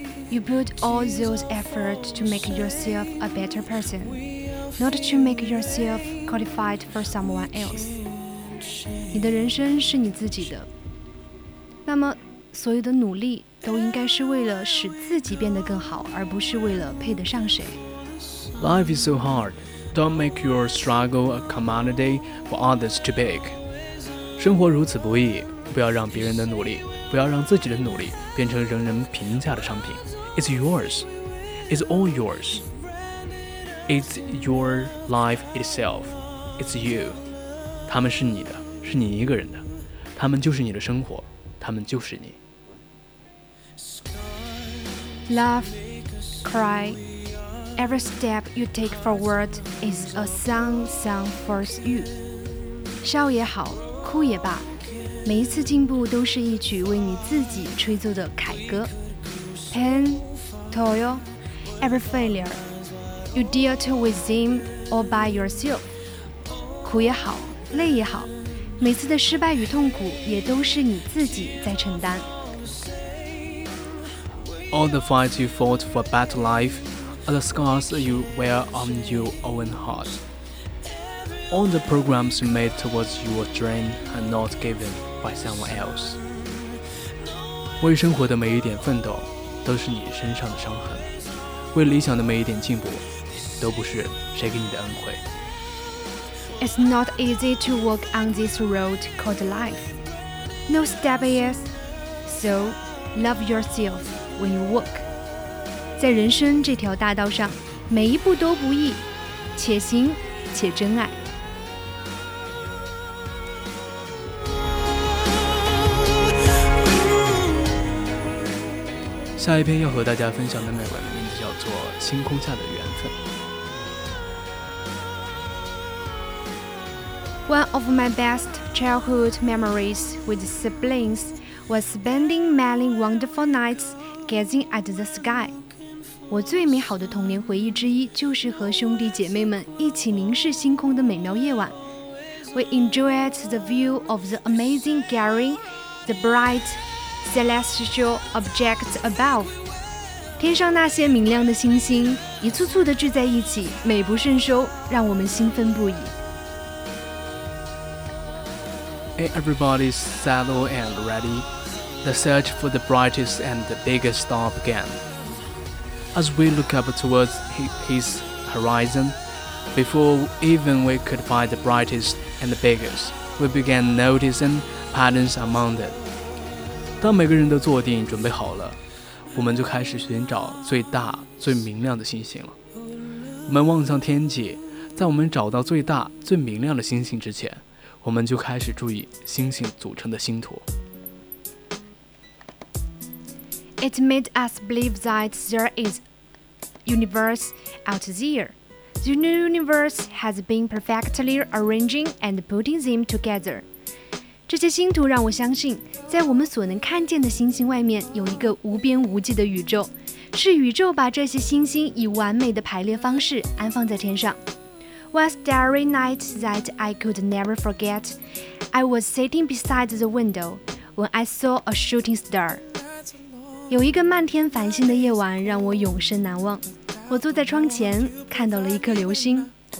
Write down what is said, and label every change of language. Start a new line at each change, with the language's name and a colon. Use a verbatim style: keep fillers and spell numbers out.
English: You put all those efforts to make yourself a better person, not to make yourself qualified for someone else.
Chinese: 你的人生是你自己的，那么所有的努力都应该是为了使自己变得更好，而不是为了配得上谁。
English: Life is so hard. Don't make your struggle a commodity for others to pick.
Chinese: 生活如此不易，不要让别人的努力，不要让自己的努力变成人人评价的商品。
English: It's yours. It's all yours. It's your life itself. It's you.
Chinese: 他们是你的，是你一个人的，他们就是你的生活，他们就是你。
English: Laugh, cry, every step you take forward is a song sung for you.
Chinese: 笑也好，哭也罢，每一次进步都是一曲为你自己吹奏的凯歌。
English: Pain, toil, every failure, you deal with them all by yourself.
Chinese: 苦也好，累也好，每次的失败与痛苦也都是你自己在承担。
English: All the fights you fought for a better life are the scars you wear on your own heart. All the programs you made towards your dream are not given by someone else.
Chinese: 为生活的每一点奋斗都是你身上的伤痕，为理想的每一点进步都不是谁给你的恩惠。
English: It's not easy to walk on this road called life. No step is, so love yourself. When you walk,
Chinese: 在人生这条大道上，每一步都不易，且行且珍爱。下一篇要和大家分享的美文名字叫做《星空下的缘分》。
English: One of my best childhood memories with siblings was spending many wonderful nights. Gazing at the sky.
Chinese: 我最美好的童年回忆之一就是和兄弟姐妹们一起凝视星空的美妙夜晚。
English: We enjoyed the view of the amazing gathering, the bright celestial objects above.
Chinese: 天上那些明亮的星星一簇簇地聚在一起，美不胜收，让我们兴奋不已。
English: Everybody's saddled and ready. The search for the brightest and the biggest star began. As we looked up towards his horizon, before even we could find the brightest and the biggest, we began noticing patterns among them.
Chinese: 当每个人都坐定准备好了，我们就开始寻找最大、最明亮的星星了。我们望向天际，在我们找到最大、最明亮的星星之前，我们就开始注意星星组成的星图。
English: It made us believe that there is a universe out there. The universe has been perfectly arranging and putting them together.
Chinese: 这些星图让我相信，在我们所能看见的星星外面有一个无边无际的宇宙，是宇宙把这些星星以完美的排列方式安放在天上。
English: One starry night that I could never forget, I was sitting beside the window when I saw a shooting star.
Chinese: 有一个漫天繁星的夜晚让我永生难忘，我坐在窗前看到了一颗流星。